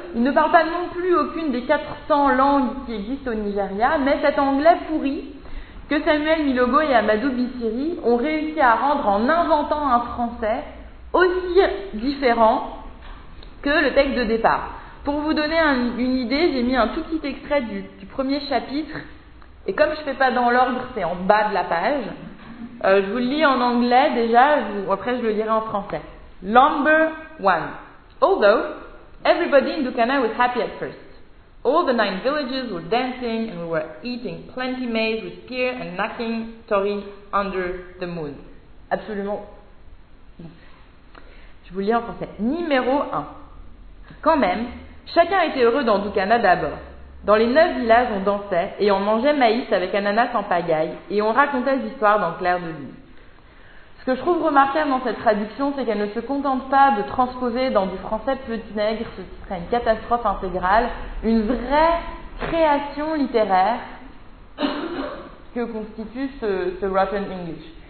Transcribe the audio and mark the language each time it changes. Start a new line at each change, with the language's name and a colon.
French: Il ne parle pas non plus aucune des 400 langues qui existent au Nigeria, mais cet anglais pourri que Samuel Milogo et Amadou Bissiri ont réussi à rendre en inventant un français aussi différent que le texte de départ. Pour vous donner une idée, j'ai mis un tout petit extrait du premier chapitre, et comme je ne fais pas dans l'ordre, c'est en bas de la page. Je vous le lis en anglais déjà, après je le lirai en français.
English: Number one. Although everybody in Dukana was happy at first. All the 9 villages were dancing and we were eating plenty maize with pear and knocking tori under the moon.
French: Absolument. Je vous le lis en français. Numéro 1. Quand même, chacun était heureux dans Dukana d'abord. Dans les 9 villages, on dansait et on mangeait maïs avec ananas en pagaille et on racontait des histoires dans Clair de Lune. Ce que je trouve remarquable dans cette traduction, c'est qu'elle ne se contente pas de transposer dans du français petit nègre, ce qui serait une catastrophe intégrale, une vraie création littéraire que constitue ce Rotten English.